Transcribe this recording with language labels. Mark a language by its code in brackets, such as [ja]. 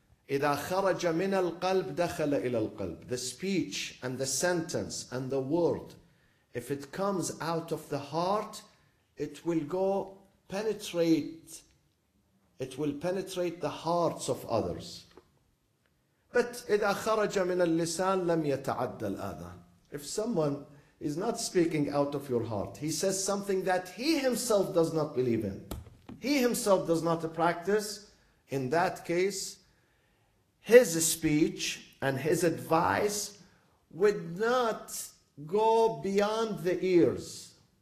[ar] إِذَا خَرَجَ مِنَ الْقَلْبِ دَخَلَ إِلَى الْقَلْبِ. [en] The speech and the sentence and the word If it comes out of the heart, it will go penetrate. It will penetrate the hearts of others. [ar] But إذا خرج من اللسان لم يتعدى الآذان. [en] If someone is not speaking out of your heart, he says something that he himself does not believe in, he himself does not practice, in that case, his speech and his advice would not go beyond the ears.